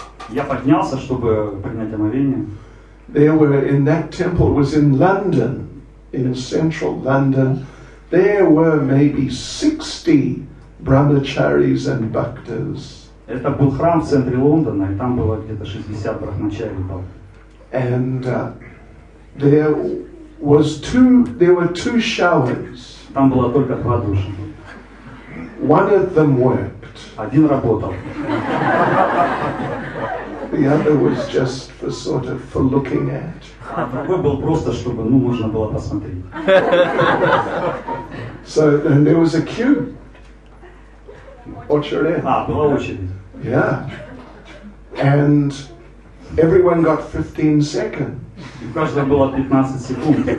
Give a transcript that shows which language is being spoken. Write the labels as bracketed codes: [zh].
[ru] Я поднялся, чтобы принять омовение. [en] There were in that temple, it was in London, in central London. There were maybe 60 brahmacharis and bhaktas. [ru] Это был храм в центре Лондона, и там было где-то 60 брахмачари. [en] And there were two showers. [ru] Там было только 2 душа. [en] One of them worked. [ru] Один работал. [en] The other was just for sort of for looking at. [ru] Другой был просто, чтобы, ну, можно было посмотреть. [en] So, and there was a queue. Watch your [ru] end. Была очередь. [en] Yeah. And everyone got 15 seconds. [ru] У каждого было 15 секунд.